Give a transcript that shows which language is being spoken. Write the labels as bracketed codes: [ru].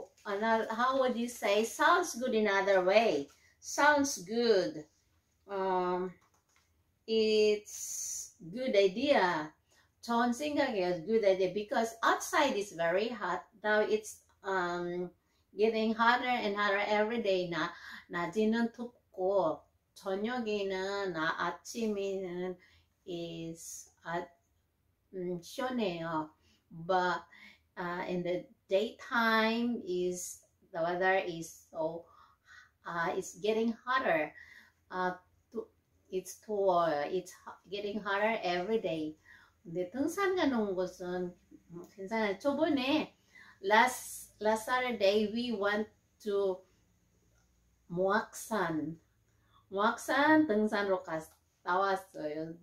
[en] How would you say sounds good in other way? Sounds good. It's good idea. [ko] 전 생각해요. [en] Good idea. Because outside is very hot. Now it's getting hotter and hotter every day. [ko] 낮에는 덥고 저녁에는 아침에는 [en] is [ko] 시원해요. [en] But in the daytime is the weather is so it's getting hotter. It's too. It's getting hotter every day. [ko] 근데 등산 가는 곳은 괜찮아요. 저번에 [en] last Saturday we went to 목산. [ko] 목산 등산으로 나왔어요.